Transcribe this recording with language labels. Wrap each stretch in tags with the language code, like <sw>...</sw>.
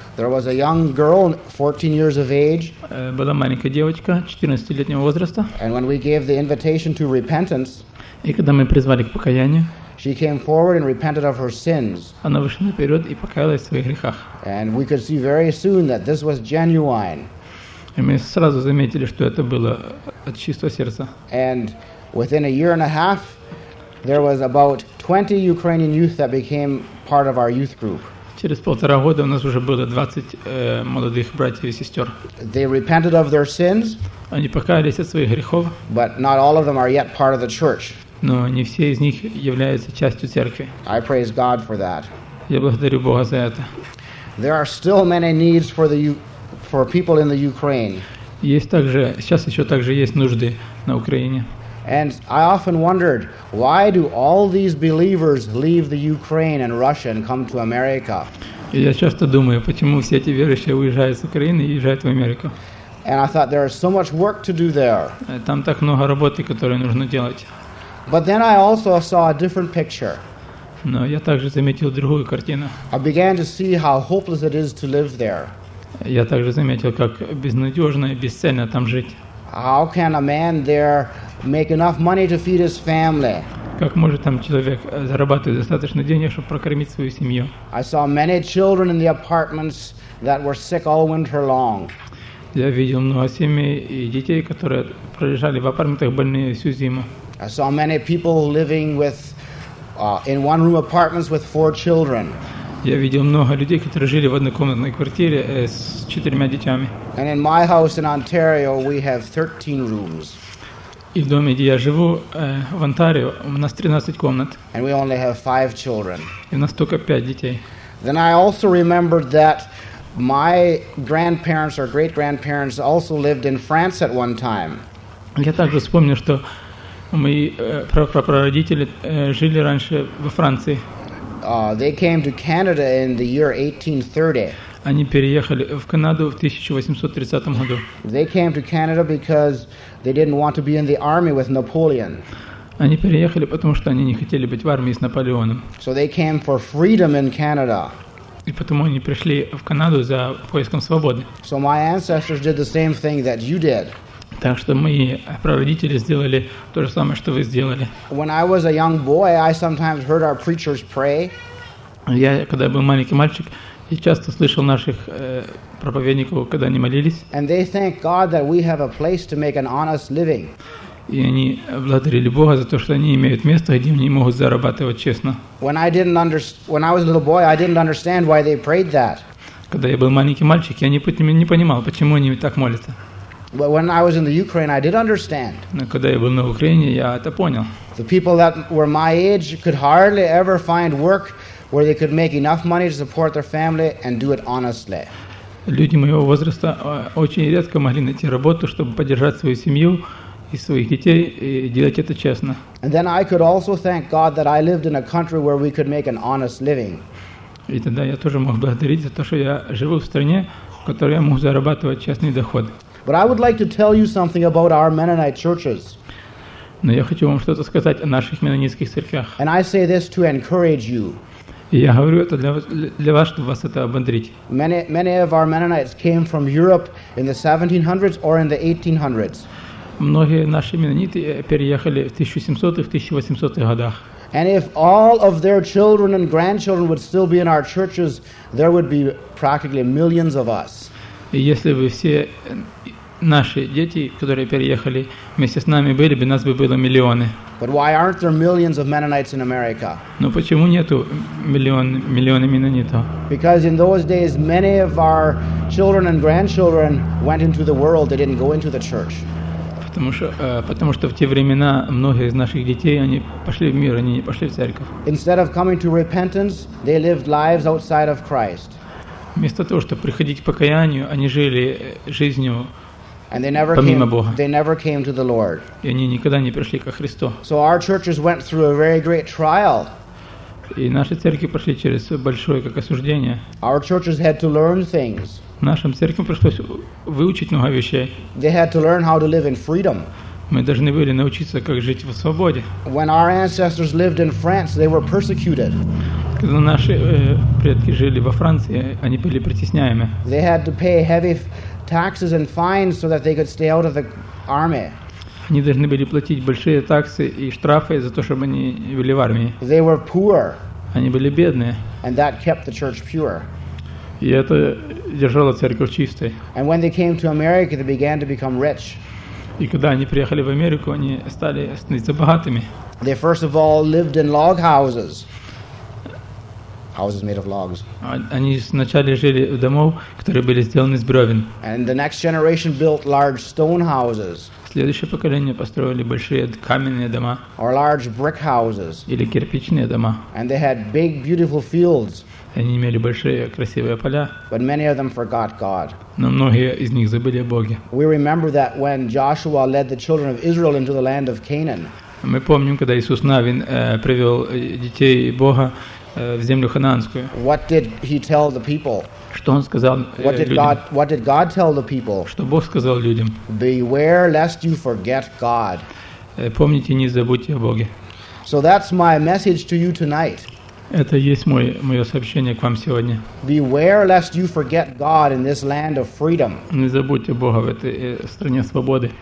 <en>there was a young girl, 14 years of age,</en> <ru>была маленькая девочка 14-летнего возраста.</ru> <en>And when we gave the invitation to repentance,</en> <ru>и когда мы призвали к покаянию,</ru> <en>she came forward and repented of her sins.</en> <ru>Она вышла наперед и покаялась в своих грехах.</ru> <en>And we could see very soon that this was genuine.</en> <ru>И мы сразу заметили, что это было от чистого сердца.</ru> <en>And within a year and a half, there was about 20 Ukrainian youth that became part of our youth group.</en> <ru>Через полтора года у нас уже было 20 молодых братьев и сестер.</ru> <en>They repented of their sins.</en> <ru>Они покаялись от своих грехов.</ru> <en>But not all of them are yet part of the church.</en> <ru>Но не все из них являются частью церкви.</ru> <en>I praise God for that.</en> <ru>Я благодарю Бога за это.</ru> <en>There are still many needs for people in the Ukraine.</en> <ru>Есть также сейчас еще также есть нужды на Украине.</ru> <en>And I often wondered, why do all these believers leave the Ukraine and Russia and come to America?</en> <ru>Я часто думаю, почему все эти верующие уезжают из Украины и езжают в Америку.</ru> <en>And I thought, there is so much work to do there.</en> <ru>Там так много работы, которую нужно делать.</ru> <en>But then I also saw a different picture.</en> <ru>Но я также заметил другую картину.</ru> <en>I began to see how hopeless it is to live there.</en> <ru>Я также заметил, как безнадежно и бесцельно там жить.</ru> <en>How can a man there make enough money to feed his family?</en> <ru>Как может там человек зарабатывать достаточно денег, чтобы прокормить свою семью?</ru> <en>I saw many children in the apartments that were sick all winter long.</en> <ru>Я видел много семей и детей, которые пролежали в апартаментах больные всю зиму.</ru> <en>I saw many people living with in one room apartments with four children.</en> <ru>Я видел много людей, которые жили в однокомнатной квартире с четырьмя детьми.</ru> <en>And in my house in Ontario, we have 13 rooms.</en> <ru>И в доме, где я живу, в Онтарио, у нас 13 комнат.</ru> <en>And we only have 5 children.</en> <ru>И у нас только 5 детей.</ru> <en>Then I also remembered that my grandparents or great-grandparents also lived in France at one time.</en> <ru>Я также вспомнил, что мои прапрапрародители жили раньше во Франции.</ru> <en>They came to Canada in the year 1830.</en> <ru>Они переехали в Канаду в 1830 году.</ru> <en>They came to Canada because they didn't want to be in the army with Napoleon.</en> <ru>Они переехали, потому что они не хотели быть в армии с Наполеоном.</ru> <en>So they came for freedom in Canada.</en> <ru>И потому они пришли в Канаду за поиском свободы.</ru> <en>So my ancestors did the same thing that you did.</en> <ru>Так что мои прародители сделали то же самое, что вы сделали.</ru> <en>When I was a young boy, I sometimes heard our preachers pray.</en> <ru>Я, когда был маленький мальчик, я часто слышал наших проповедников, когда они молились.</ru> <en>And they thank God that we have a place to make an honest living.</en> <ru>И они благодарили Бога за то, что они имеют место, где они могут зарабатывать честно.</ru> <en>When I was a little boy, I didn't understand why they prayed that.</en> <ru>Когда я был маленьким мальчик, я не понимал, почему они так молятся.</ru> <en>But when I was in the Ukraine, I did understand.</en> <ru>Но когда я был на Украине, я это понял.</ru> <en>The people that were my age could hardly ever find work where they could make enough money to support their family and do it honestly.</en> <ru>Люди моего возраста очень редко могли найти работу, чтобы поддержать свою семью и своих детей, и делать это честно.</ru> <en>And then I could also thank God that I lived in a country where we could make an honest living.</en> <ru>И тогда я тоже мог благодарить за то, что я живу в стране, в которой я мог зарабатывать честный доход.</ru> <en>But I would like to tell you something about our Mennonite churches.</en> <ru>Но я хочу вам что-то сказать о наших меннонитских церквях.</ru> <en>And I say this to encourage you.</en> <ru>И я говорю это для вас, чтобы вас это ободрить.</ru> <en>Many of our Mennonites came from Europe in the 1700s or in the 1800s.</en> <ru>Многие наши меннониты переехали в 1700-1800 годах.</ru> <en>And if all of their children and grandchildren would still be in our churches, there would be practically millions of us.</en> <ru>И если бы все наши дети, которые переехали вместе с нами, были бы, нас бы было миллионы.</ru> <en>But why aren't there millions of Mennonites in America?</en> <ru>Но почему нету миллионы меннонитов?</ru> <en>Because in those days, many of our children and grandchildren went into the world, they didn't go into the church.</en> <ru>Потому что в те времена многие из наших детей, они пошли в мир, они не пошли в церковь.</ru> <en>Instead of coming to repentance, they lived lives outside of Christ.</en> <ru>Вместо того, чтобы приходить к покаянию, они жили жизнью помимо Бога.</ru> <en>They never came to the Lord.</en> <ru>И они никогда не пришли ко Христу.</ru> <en>So our churches went through a very great trial.</en> <ru>И наши церкви прошли через большое как осуждение.</ru> <en>Our churches had to learn things.</en> <ru>Нашим церквям пришлось выучить много вещей.</ru> <en>They had to learn how to live in freedom.</en> <ru>Мы должны были научиться, как жить в свободе.</ru> <en>When our ancestors lived in France, they were persecuted.</en> <ru>Когда наши предки жили во Франции, они были притесняемы.</ru> <en>They had to pay heavy taxes and fines so that they could stay out of the army.</en> <ru>Они должны были платить большие таксы и штрафы за то, чтобы они были в армии.</ru> <en>They were poor.</en> <ru>Они были бедные.</ru> <en>And that kept the church pure.</en> <ru>И это держало церковь чистой.</ru> <en>And when they came to America, they began to become rich.</en> <ru>И когда они приехали в Америку, они стали становиться богатыми.</ru> <en>They first of all lived in log houses. Houses made of logs.</en> <ru>Они сначала жили в домах, которые были сделаны из бревен.</ru> <en>And the next generation built large stone houses.</en> <ru>Следующее поколение построили большие каменные дома.</ru> <en>Or large brick houses.</en> <ru>Или кирпичные дома.</ru> <en>And they had big, beautiful fields.</en> <ru>Они имели большие красивые поля.</ru> <en>But many of them forgot God.</en> <ru>Но многие из них забыли о Боге.</ru> <en>We remember that when Joshua led the children of Israel into the land of Canaan.</en> <ru>Мы помним, когда Иисус Навин привел детей Бога в землю Ханаанскую.</ru> <en>What did he tell the people?</en> <ru>Что он сказал людям?</ru> <en>What did God tell the people?</en> <ru>Что Бог сказал людям?</ru> <en>Beware lest you forget God.</en> <ru>Помните, не забудьте о Боге.</ru> <en>So that's my message to you tonight.</en> <ru>Это есть мое сообщение к вам сегодня.</ru> <en>Beware lest you forget God in this land of freedom.</en> <ru>Не забудьте Бога в этой стране свободы.</ru>